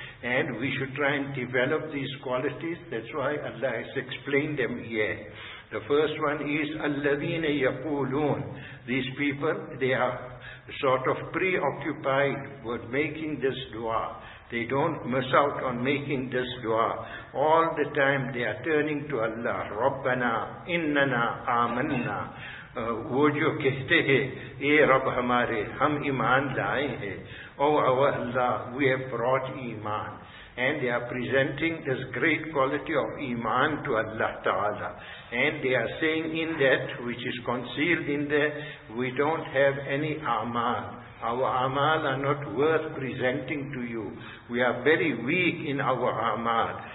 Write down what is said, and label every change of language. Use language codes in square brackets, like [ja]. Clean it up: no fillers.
[en] And we should try and develop these qualities, that's why Allah has explained them here. The first one is, [ar] الَّذِينَ يَقُولُونَ. [en] These people, they are sort of preoccupied with making this dua. They don't miss out on making this dua. All the time they are turning to Allah. [ar] رَبَّنَا إِنَّنَا آمَنَّا [ur] وہ جو کہتے ہیں اے رب ہمارے ہم ایمان لائے ہیں. [en] Oh our Allah, we have brought iman. And they are presenting this great quality of iman to Allah Ta'ala. And they are saying in that, which is concealed in there, we don't have any amal. Our amal are not worth presenting to you. We are very weak in our amal.